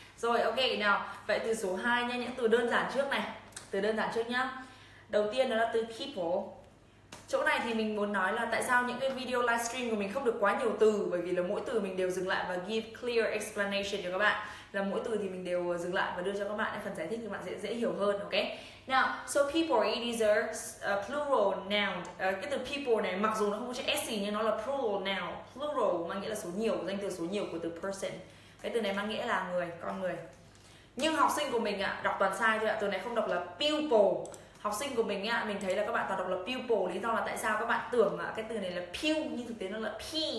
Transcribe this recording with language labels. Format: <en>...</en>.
<vi>Rồi ok, nào vậy từ số 2 nha, những từ đơn giản trước này. Từ đơn giản trước nhá. Đầu tiên đó là từ people. Chỗ này thì mình muốn nói là tại sao những cái video livestream của mình không được quá nhiều từ, bởi vì là mỗi từ mình đều dừng lại và</vi> <en>give clear explanation</en> <vi>cho các bạn. Là mỗi từ thì mình đều dừng lại và đưa cho các bạn phần giải thích cho các bạn dễ hiểu hơn, ok?</vi> <en>Now, so people, it is a plural noun.</en> <vi>Cái từ people này mặc dù nó không có chữ s gì nhưng nó là plural noun. Plural mang nghĩa là số nhiều, danh từ số nhiều của từ person. Cái từ này mang nghĩa là người, con người. Nhưng học sinh của mình đọc toàn sai thôi ạ, từ này không đọc là pupil. Học sinh của mình mình thấy là các bạn toàn đọc là pupil. Lý do là tại sao các bạn tưởng cái từ này là pew nhưng thực tế nó là p.</vi>